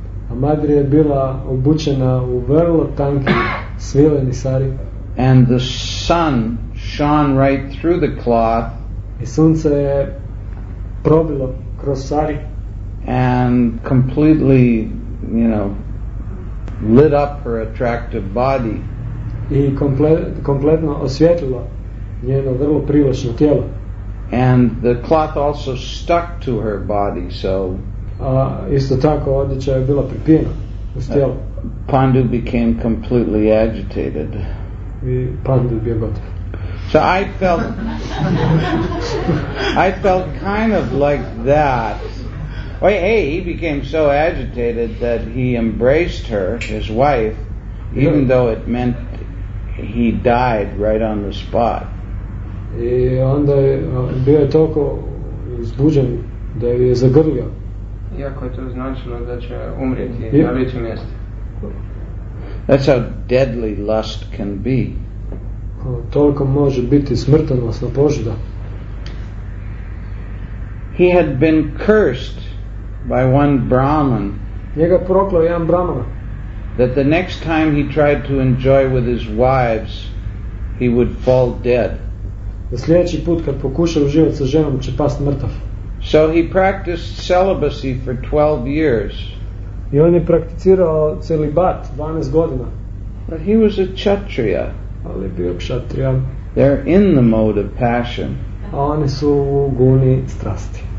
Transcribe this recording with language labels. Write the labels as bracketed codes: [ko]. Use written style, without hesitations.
[hr] A Madri je bila obučena u vrlo tanki svileni sari. [en] And the sun shone right through the cloth. [hr] I sunce je probilo kroz sari. [en] And completely, you know, lit up her attractive body. [hr] I kompletno osvjetlilo njeno vrlo privlačno tijelo. [en] And the cloth also stuck to her body, so [hr] isto tako odjeća je bila pripijena uz tijelo. [en] Pandu became completely agitated. [hr] I Pandu bio gotov. [en] So I felt kind of like that. Wait, hey, he became so agitated that he embraced her, his wife, even though it meant he died right on the spot. [hr] I onda je bio toliko uzbuđen da je zagrlio. Iako je to značilo da će umrijeti na licu mjesta. [en] That's how deadly lust can be. [hr] Toliko može biti smrtonosna požuda. [en] He had been cursed by one Brahman. [hr] Njega proklao jedan Brahman. [en] That the next time he tried to enjoy with his wives, he would fall dead. [hr] Da sljedeći put kad pokuša uživati sa ženom će past mrtav. [en] So he practiced celibacy for 12 years. [hr] I on je prakticirao celibat 12 godina. [en] But he was a kshatriya. [hr] Ali bio kshatrijan. [en] They're in the mode of passion. [hr] A oni su u guni strasti.